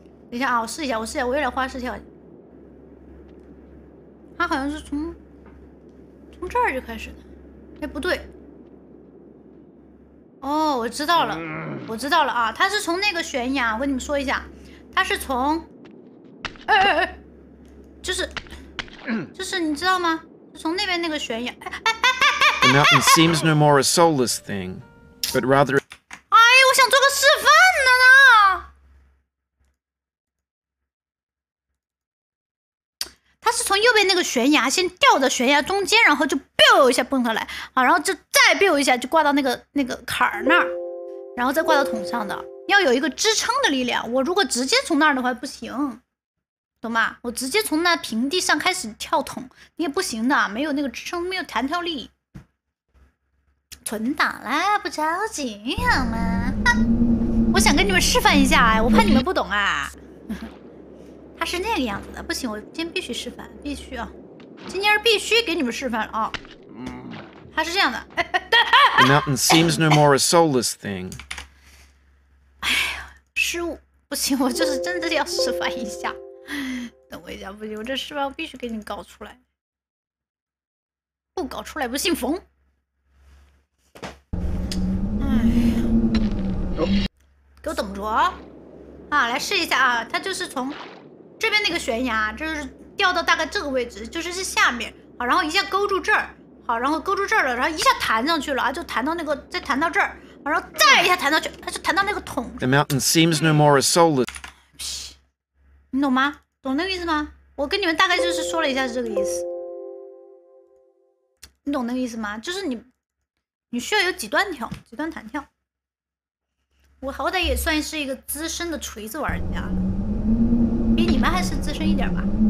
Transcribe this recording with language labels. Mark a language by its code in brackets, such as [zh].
[zh] 等一下啊，我试一下，我试一下，我有点花式跳，他好像是从这儿就开始的，哎，不对。哦，我知道了，我知道了啊！他是从那个悬崖，我跟你们说一下，他是从，就是你知道吗？是从那边那个悬崖， [en] The mountain seems no more a soulless thing, but rather. [zh] 哎呀，我想做个示范的呢。他是从右边那个悬崖先掉到悬崖中间，然后就 biu 一下蹦下来啊，然后就。再 biu 一下就挂到那个坎儿那儿，然后再挂到桶上的，要有一个支撑的力量。我如果直接从那儿的话不行，懂吗？我直接从那平地上开始跳桶，你也不行的，没有那个支撑，没有弹跳力。存档啦，不着急好吗？我想跟你们示范一下，哎，我怕你们不懂啊。他是那个样子的，不行，我今天必须示范，必须啊，今天是必须给你们示范了啊。它是这样的， [en] The mountain seems no more a soulless thing. [zh] 失误，不行，我就是真的要示范一下。等我一下，不行，我这示范我必须给你搞出来，不搞出来不姓冯。给我等着啊！来试一下啊！它就是从这边那个悬崖，就是掉到大概这个位置，就是这下面，好，然后一下勾住这儿。好，然后勾住这儿了，然后一下弹上去了啊，就弹到那个，再弹到这儿，然后再一下弹上去，它就弹到那个桶。 [en] The mountain seems no more a soulless. [zh] 你懂吗？懂那个意思吗？我跟你们大概就是说了一下是这个意思。你懂那个意思吗？就是你需要有几段跳，几段弹跳。我好歹也算是一个资深的锤子玩家了，比你们还是资深一点吧。